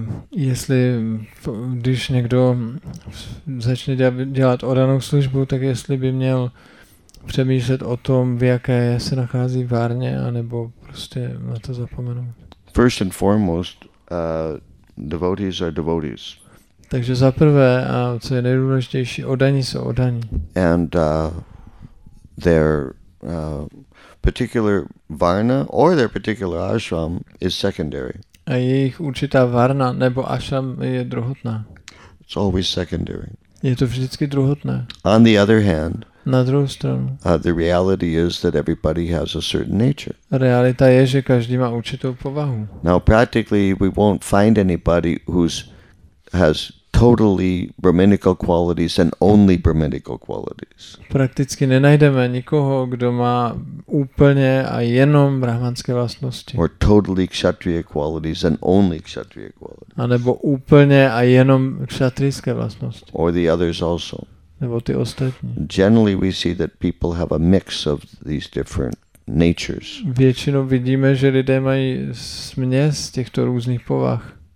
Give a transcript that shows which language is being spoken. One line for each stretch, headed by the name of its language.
Czech: jestli když někdo začne dělat oddanou službu, tak jestli by měl přemýšlet o tom, v jaké se nachází várně, anebo prostě na to zapomenout.
English: First and foremost, devotees are devotees.
Czech: Takže za prvé a co je nejdůležitější, oddaní jsou oddaní.
English: And their particular varna or their particular ashram is secondary.
Czech: A jejich určitá varna nebo ashram je druhotná.
English: It's always secondary.
Czech: Je to vždycky druhotné.
English: On the other hand,
Czech: na druhou stranu,
English: the reality is that everybody has a certain nature.
Czech: Realita je, že každý má určitou povahu.
English: Now practically we won't find anybody who's has totally brahminical qualities and only brahminical qualities.
Czech: Prakticky nenajdeme nikoho, kdo má úplně a jenom brahmanské vlastnosti.
English: Or totally kshatriya qualities and only kshatriya qualities.
Czech: A nebo úplně a jenom kshatrijské vlastnosti.
English: Or the others also.
Czech: Nebo ty ostatní.
English: Generally we see that people have a mix of these different natures.
Czech: Většinou vidíme, že lidé mají směs těchto různých povah.